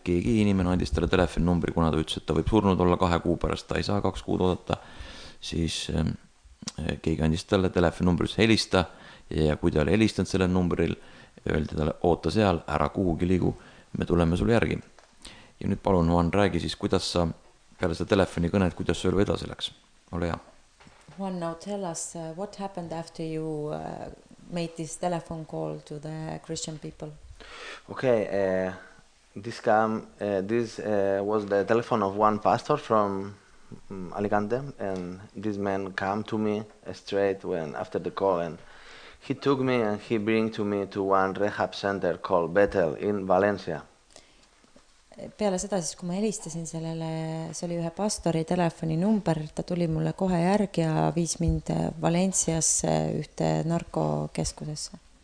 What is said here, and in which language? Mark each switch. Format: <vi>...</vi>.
<et>Keegi inimene andis talle telefoninumbri, kuna ta ütles, et ta võib surnud olla 2 kuu pärast, ta ei saa 2 kuud oodata, siis keegi andis talle telefoninumbris helista ja kui ta oli helistanud selle numbril, öeldi talle, oota seal, ära kuhugi liigu, me tuleme sul järgi. Ja nüüd palun, Juan, räägi siis, kuidas sa peale seda telefoni kõned, kuidas sa ülevi edasi läks. Ole hea.</et> <en>Juan, now tell us, what happened after you made this telephone call to the Christian people? Okay, this was the telephone of one pastor from Alicante, and this man came to me straight when after the call, and he took me and he bring to me to one rehab center called Betel in Valencia.</en> <et>Peale seda siis, kui ma helistasin sellele, see oli ühe pastori telefoni number, ta tuli mulle kohe järg ja viis mind Valensiasse ühte narkokeskusesse.</et>